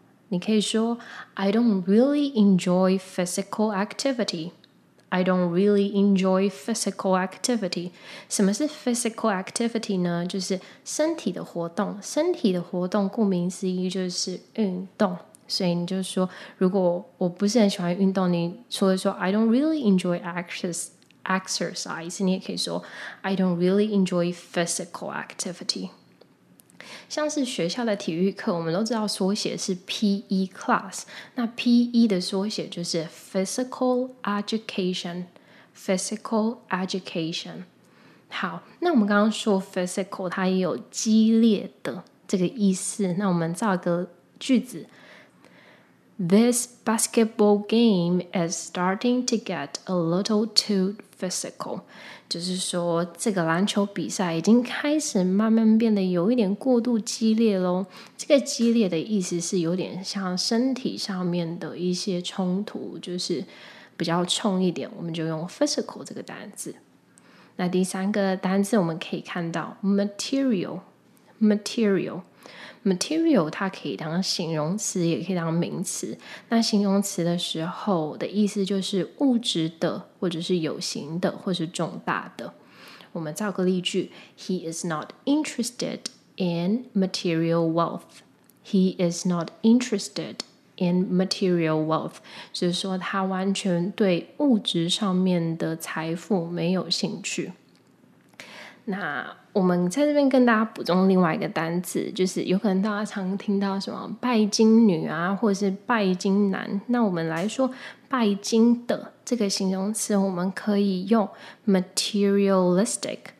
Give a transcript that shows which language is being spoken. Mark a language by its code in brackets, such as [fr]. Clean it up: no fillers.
[zh] 你可以说 [en] I don't really enjoy physical activity. I don't really enjoy physical activity. [zh] 什么是 physical activity 呢？就是身体的活动。身体的活动顾名思义就是运动。所以你就说，如果我不是很喜欢运动，你除了说 [en] I don't really enjoy exercise， [zh] 你也可以说 [en] I don't really enjoy physical activity。 [zh] 像是学校的体育课，我们都知道缩写是 PE class， 那 PE 的缩写就是 Physical Education。好，那我们刚刚说 physical 它也有激烈的这个意思，那我们造个句子， [en] This basketball game is starting to get a little too physical. [zh] 就是说这个篮球比赛已经开始慢慢变得有一点过度激烈咯。这个激烈的意思是有点像身体上面的一些冲突，就是比较冲一点，我们就用 physical 这个单字。那第三个单字我们可以看到 material 它可以当形容词也可以当名词。那形容词的时候的意思就是物质的或者是有形的或者是重大的。我们造个例句， [en] He is not interested in material wealth. He is not interested in material wealth. [zh] 就是说他完全对物质上面的财富没有兴趣。那我们在这边跟大家补充另外一个单字，就是有可能大家常听到什么拜金女啊或是拜金男，那我们来说拜金的这个形容词我们可以用 materialistic。